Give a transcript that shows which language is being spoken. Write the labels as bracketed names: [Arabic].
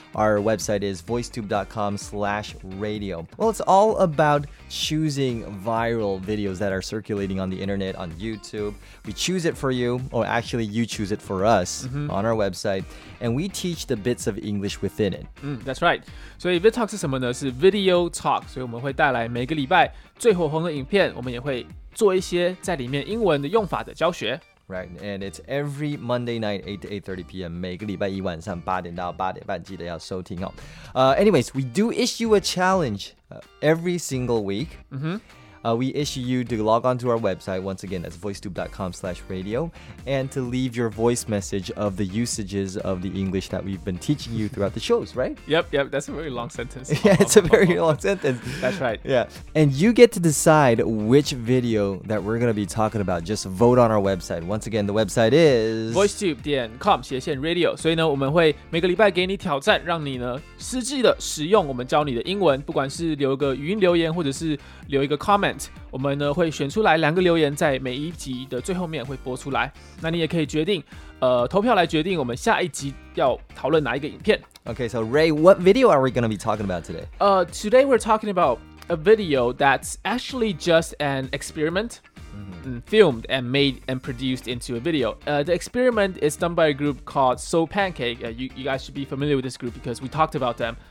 [English] Our website is voicetube.com/radio. Well, it's all about choosing viral videos that are circulating on the internet, on YouTube. We choose it for you, or actually you choose it for us on our website, and we teach the bits of English within it. That's right. So VidTalk [Chinese] 是什么呢? 是 Video Talk, 所以我们会带来每个礼拜最火红的影片,我们也会 做一些在里面英文的用法的教学。 [English] Right, and it's every Monday night, 8 to 8:30 p.m. [Chinese] 每个礼拜一晚上8点到8点半记得要收听哦。 [English] Anyways, we do issue a challenge every single week. We issue you to log on to our website. Once again, that's voicetube.com/radio. And to leave your voice message of the usages of the English that we've been teaching you throughout the shows, right? Yep. That's a very long sentence. Yeah, it's a very long sentence. That's right. Yeah. And you get to decide which video that we're going to be talking about. Just vote on our website. Once again, the website is voicetube.com/radio. [Chinese] 所以呢,我们会每个礼拜给你挑战,让你呢,实际的使用我们教你的英文,不管是留一个语音留言或者是留一个comment, 我们呢会选出来两个留言，在每一集的最后面会播出来。那你也可以决定，投票来决定我们下一集要讨论哪一个影片。 [English] Okay, so Ray, what video are we going to be talking about today? Today we're talking about a video that's actually just an experiment filmed and made and produced into a video. The experiment is done by a group called Soul Pancake. You guys should be familiar with this group because we talked about them